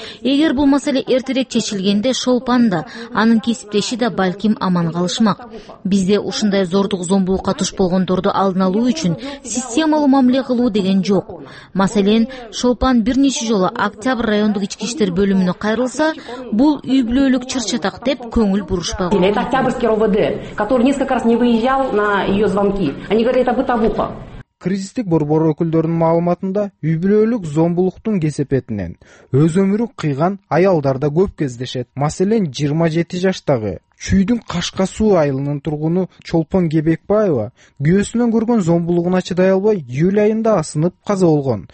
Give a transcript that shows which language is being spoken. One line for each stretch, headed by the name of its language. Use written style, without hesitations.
Kyrgyz: Эгер бул маселе эртерээк чечилгенде Шолпан да, анын кесиптеши да балким аман калышмак. Бизде ушундай зордук зомбулукка туш болгондорду алдын алуу үчүн системалуу мамиле кылуу деген жок. Маселен, Шолпан бир нече жолу Октябрь райондук ички иштер бөлүмүнө кайрылса, бул үй бүлөлүк чырчатак деп көңүл бурушпак.
Russian: Это Октябрьский РОВД, который несколько раз не выезжал на ее звонки. Они говорят, это бытовуха.
Kyrgyz: Кризистик борбор өкүлдөрүнүн маалыматында үй бүлөлүк зомбулуктун кесепетинен өз өмүрү кыйган аялдар да көп кездешет. Маселен, 27 жаштагы Чүйдүн Кашка Суу айылынын тургуну Чолпон Кебекбаева күйөөсүнөн көргөн зомбулугуна чыдай албай июль айында асынып каза болгон.